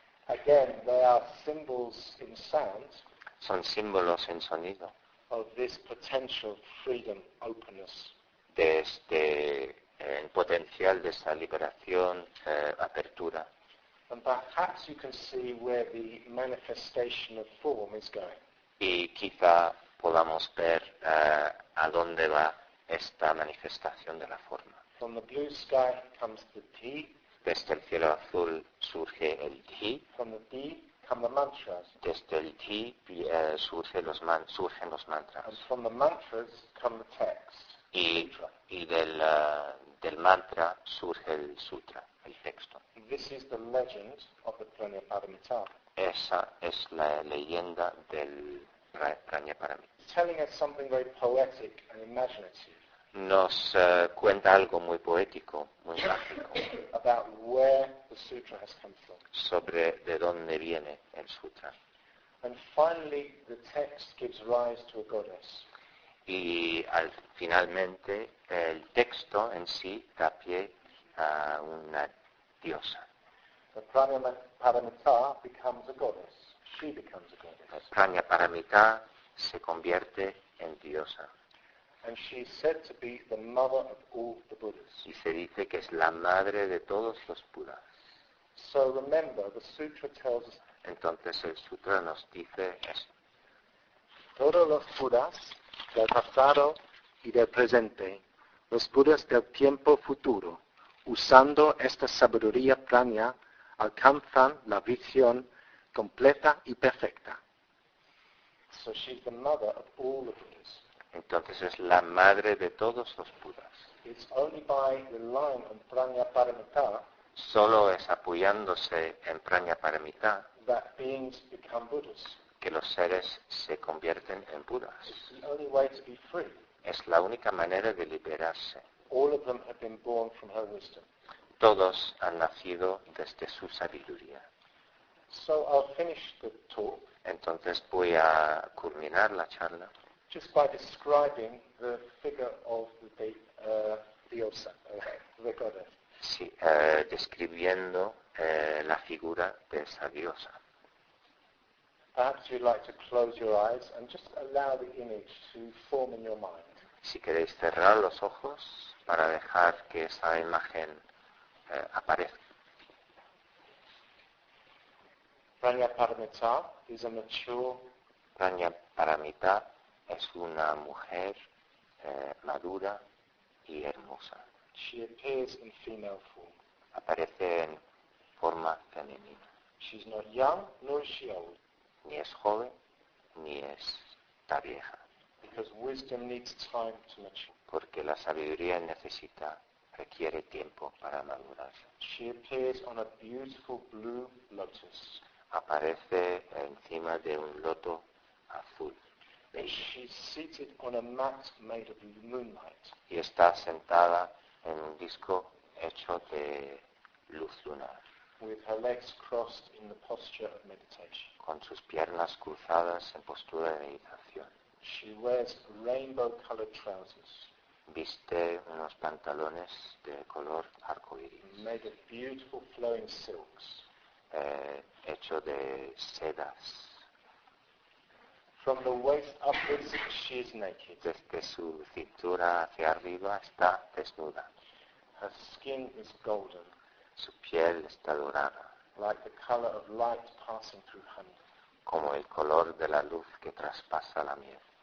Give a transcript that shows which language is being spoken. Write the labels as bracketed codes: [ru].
[en] Again, they are symbols in sound. [es] Son símbolos en sonido. [en] Of this potential freedom, openness. [es] De este potencial de esta liberación, apertura. [en] And perhaps you can see where the manifestation of form is going. [es] Y quizá podamos ver a dónde va esta manifestación de la forma. [en] From the blue sky comes the ti. [es] Desde el cielo azul surge el ti. [en] From the ti come the mantras. [es] Desde el ti surgen los mantras. [en] And from the mantras come the text. [es] Y del mantra surge el sutra, el texto. [en] This is the legend of the Prajnaparamita. [es] Esa es la leyenda del Prajnaparamita. [en] Telling us something very poetic and imaginative. [es] nos cuenta algo muy poético, muy mágico, [en] about where the sutra has come from. [es] Sobre de dónde viene el sutra. [en] And finally, the text gives rise to a goddess. [es] Y al finalmente el texto en sí da pie a una diosa. [en] The Prajnaparamita becomes a goddess. She becomes a goddess. [es] Prajnaparamita se convierte en diosa. [en] And she is said to be the mother of all the Buddhas. [es] Y se dice que es la madre de todos los Budas. [en] So remember, the sutra tells us. [es] Entonces el sutra nos dice esto. Todos los Budas del pasado y del presente, los Budas del tiempo futuro, usando esta sabiduría prana, alcanzan la visión completa y perfecta. [en] So she's the mother of all the Buddhas. [es] Entonces es la madre de todos los Budas. [en] It's only by relying on Prajnaparamita, [es] solo es apoyándose en Prajnaparamita [en] that beings become Buddhas. [es] Que los seres se convierten en Budas. [en] It's the only way to be free. [es] Es la única manera de liberarse. [en] All of them have been born from her wisdom. [es] Todos han nacido desde su sabiduría. [en] So I'll finish the talk. [es] Entonces voy a culminar la charla. [en] Just by describing the figure of the diosa, the goddess. [es] Sí, describiendo la figura de esa diosa. [en] Perhaps you'd like to close your eyes and just allow the image to form in your mind. [es] Si queréis cerrar los ojos para dejar que esa imagen aparezca. [en] Prajnaparamita is a mature. [es] Prajnaparamita es una mujer madura y hermosa. [en] She appears in female form. [es] Aparece en forma femenina. [en] She's not young, nor is she old. [es] Ni es joven, ni está vieja. [en] Because wisdom needs time to mature. [es] Porque la sabiduría necesita, requiere tiempo para madurar. [en] She appears on a beautiful blue lotus. [es] Aparece encima de un loto azul. [en] And she's seated on a mat made of moonlight. [es] Y está sentada en un disco hecho de luz lunar. [en] With her legs crossed in the posture of meditation. [es] Con sus piernas cruzadas en postura de meditación. [en] She wears rainbow-colored trousers. [es] Viste unos pantalones de color arcoíris. [en] Made of beautiful flowing silks. [es] Hecho de sedas. [en] From the waist upwards, she is naked. [es] Desde su cintura hacia arriba está desnuda. [en] Her skin is golden. [es] Su piel está dorada. [en] Like the color of light passing through honey. [es] Como el color de la luz que traspasa la miel.